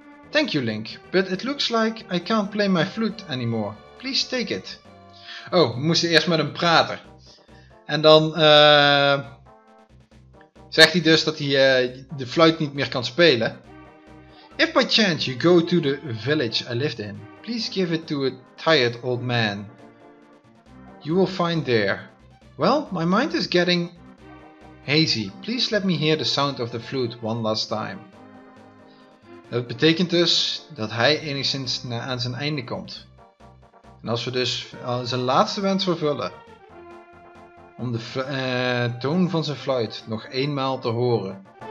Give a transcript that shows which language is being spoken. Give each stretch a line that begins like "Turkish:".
English: Thank you, Link, but it looks like I can't play my flute anymore. Please take it.
Dutch: Oh, we moesten eerst met hem praten. En dan zegt hij dus dat hij de fluit niet meer kan spelen.
English: If by chance you go to the village I lived in, please give it to a tired old man. You will find there. Well, my mind is getting hazy. Please let me hear the sound of the flute one last time.
Dutch: Dat betekent dus dat hij enigszins aan zijn einde komt. En als we dus zijn laatste wens vervullen, om de toon van zijn fluit nog eenmaal te horen.